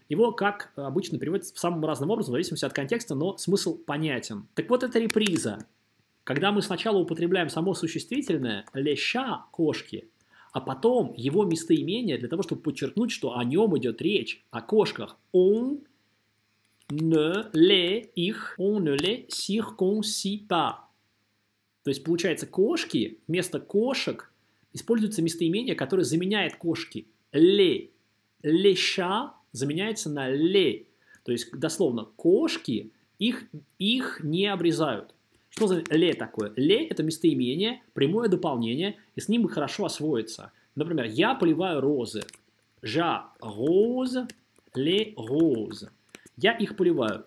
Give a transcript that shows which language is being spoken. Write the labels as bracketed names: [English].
[Russian] Его, как обычно, переводят самым разным образом, в зависимости от контекста, но смысл понятен. Так вот, это реприза. Когда мы сначала употребляем само существительное [French] «les chats» [Russian] — «кошки», а потом его местоимение для того, чтобы подчеркнуть, что о нем идет речь, о кошках. [French] On ne les [Russian] их, [French] on ne les circoncis pas. [Russian] То есть получается кошки, вместо кошек используется местоимение, которое заменяет кошки. [French] Les. Les chats [Russian] заменяется на [French] les. [Russian] То есть дословно кошки, их не обрезают. Что за «ле» такое? «Ле» — это местоимение, прямое дополнение, и с ним бы хорошо освоиться. Например, «я поливаю розы». [French] «J'arrose les roses». [Russian] «Я их поливаю».